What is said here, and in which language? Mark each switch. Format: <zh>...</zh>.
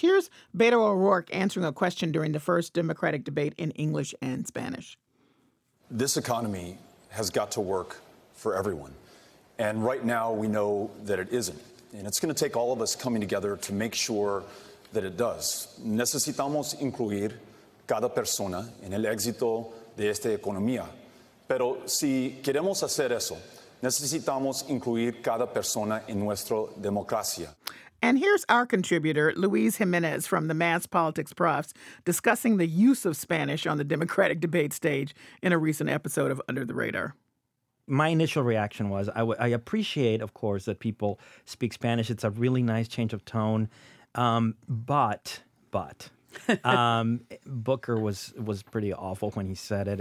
<en>Here's Beto O'Rourke answering a question during the first Democratic debate in English and Spanish. This economy has got to work for everyone, and right now we know that it isn't. And it's going to take all of us coming together to make sure that it does.</en> <es>Necesitamos incluir cada persona en el éxito de esta economía. Pero si queremos hacer eso, necesitamos incluir cada persona en nuestra democracia.</es> <en>And here's our contributor, Luis Jimenez from the Mass Politics Profs, discussing the use of Spanish on the Democratic debate stage in a recent episode of Under the Radar. My initial reaction was, I appreciate, of course, that people speak Spanish. It's a really nice change of tone. But Booker was pretty awful when he said it.</en>